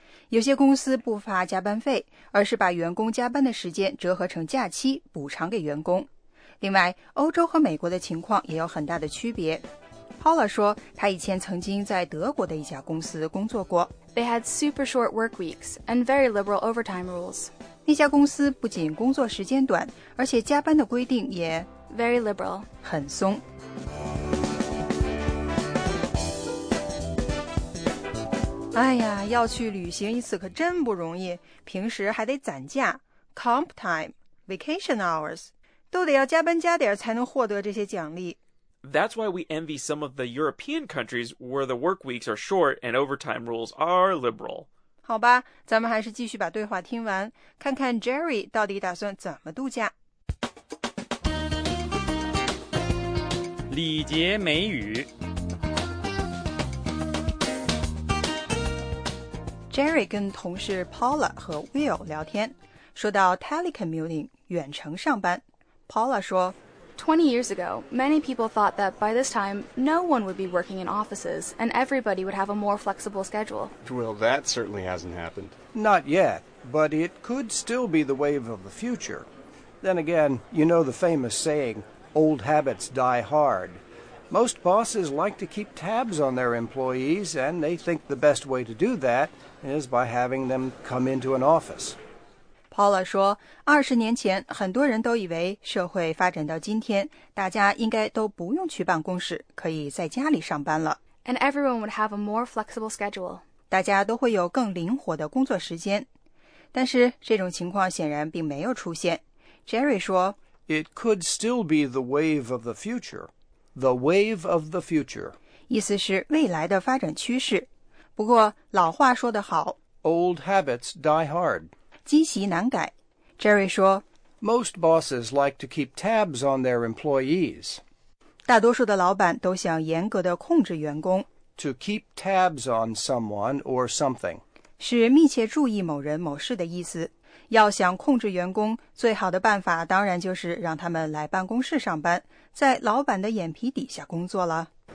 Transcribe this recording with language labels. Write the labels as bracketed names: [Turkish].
[Chinese] 有些公司不发加班费，而是把员工加班的时间折合成假期补偿给员工。另外，欧洲和美国的情况也有很大的区别。 Paula 说，他以前曾经在德国的一家公司工作过。 [English] They had super short work weeks and very liberal overtime rules. [Chinese] 那家公司不仅工作时间短，而且加班的规定也 [English] very liberal， [Chinese] 很松。哎呀，要去旅行一次可真不容易，平时还得攒假 ， [English] comp time， vacation hours。 [Chinese] 都得要加班加点才能获得这些奖励。 [English] That's why we envy some of the European countries where the work weeks are short and overtime rules are liberal. [Chinese] 好吧，咱们还是继续把对话听完，看看 Jerry 到底打算怎么度假。礼节美语。 Jerry 跟同事 Paula 和 Will 聊天，说到 telecommuting 远程上班。Paula 说 [English] 20 years ago, many people thought that by this time, no one would be working in offices and everybody would have a more flexible schedule. Well, that certainly hasn't happened. Not yet, but it could still be the wave of the future. Then again, you know the famous saying, old habits die hard. Most bosses like to keep tabs on their employees and they think the best way to do that is by having them come into an office. [Chinese] Paula 说，二十年前很多人都以为社会发展到今天，大家应该都不用去办公室，可以在家里上班了。 [English] And everyone would have a more flexible schedule. [Chinese] 大家都会有更灵活的工作时间。但是这种情况显然并没有出现。 Jerry 说 [English] ，It could still be the wave of the future. The wave of the future. [Chinese] 意思是未来的发展趋势。不过老话说得好 [English] ，Old habits die hard. [Chinese] 积习难改 ，Jerry 说 [English] ，Most bosses like to keep tabs on their employees. [Chinese] 大多数的老板都想严格地控制员工。 [English] To keep tabs on someone or something [Chinese] 是密切注意某人某事的意思。要想控制员工，最好的办法当然就是让他们来办公室上班，在老板的眼皮底下工作了。